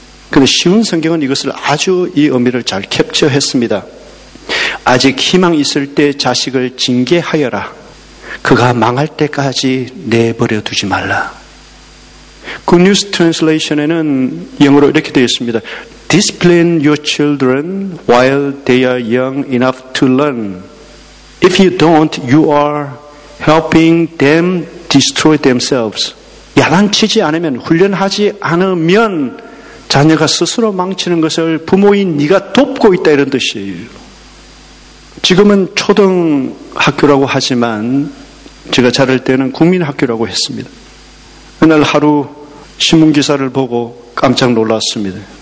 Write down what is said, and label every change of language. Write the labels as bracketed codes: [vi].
[ko] 그런데 쉬운 성경은 이것을 아주 이 의미를 잘 캡처했습니다. 아직 희망 있을 때 자식을 징계하여라. 그가 망할 때까지 내버려 두지 말라. Good News Translation에는 영어로 이렇게 되어 있습니다. [en] Discipline your children while they are young enough to learn. If you don't, you are helping them destroy themselves. [ko] 야단치지 않으면, 훈련하지 않으면 자녀가 스스로 망치는 것을 부모인 네가 돕고 있다 이런 뜻이에요. 지금은 초등학교라고 하지만 제가 자랄 때는 국민학교라고 했습니다. 그날 하루 신문기사를 보고 깜짝 놀랐습니다.